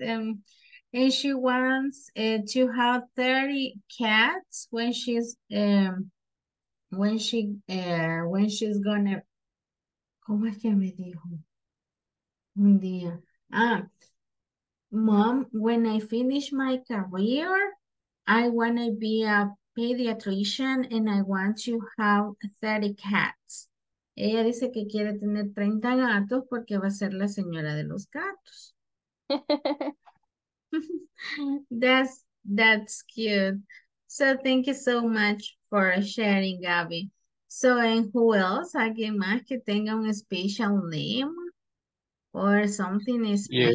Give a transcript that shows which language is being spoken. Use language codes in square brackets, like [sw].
[en] And she wants to have 30 cats when she's when she's gonna, [es] como es que me dijo un día, [en] ah, mom, when I finish my career, I want to be a pediatrician and I want to have 30 cats. [es] Ella dice que quiere tener 30 gatos porque va a ser la señora de los gatos. [en] That's cute. So thank you so much for sharing, Gabby. So, and who else? [es] ¿Alguien más que tenga un [en] special name or something special?